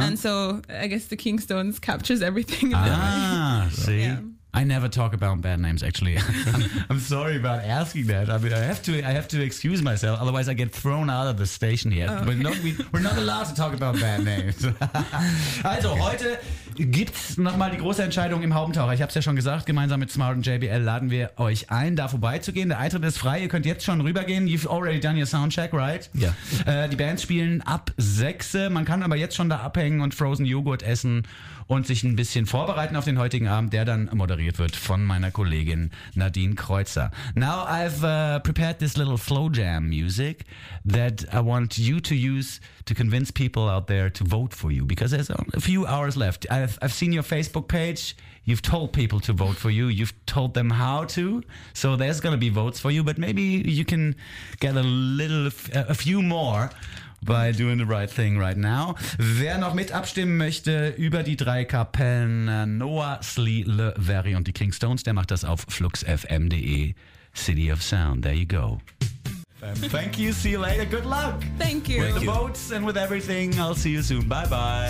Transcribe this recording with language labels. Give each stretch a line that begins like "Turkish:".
English: And so I guess the Kingstones captures everything. See? Yeah. I never talk about bad names, actually. I'm sorry about asking that. I mean, I have to excuse myself. Otherwise, I get thrown out of the station here. Oh, okay. We're not allowed to talk about bad names.
German: Also, heute gibt's nochmal die große Entscheidung im Haupttaucher. Ich hab's ja schon gesagt. Gemeinsam mit Smart und JBL laden wir euch ein, da vorbeizugehen. Der Eintritt ist frei. Ihr könnt jetzt schon rübergehen.
English: You've already done your soundcheck, right?
German: Ja. Die Bands spielen ab 6. Man kann aber jetzt schon da abhängen und Frozen Joghurt essen. Und sich ein bisschen vorbereiten auf den heutigen Abend, der dann moderiert wird von meiner Kollegin Nadine Kreuzer.
English: Now I've prepared this little flow jam music that I want you to use to convince people out there to vote for you. Because there's only a few hours left. I've seen your Facebook page. You've told people to vote for you. You've told them how to. So there's going to be votes for you. But maybe you can get a few more. By doing the right thing right now.
German: Wer noch mit abstimmen möchte über die drei Kapellen Noah, Slee, Le Verri und die Kingstones, der macht das auf fluxfm.de.
English: City of Sound. There you go. Thank you. See you later. Good luck. Thank you. With the votes and with everything. I'll see you soon. Bye bye.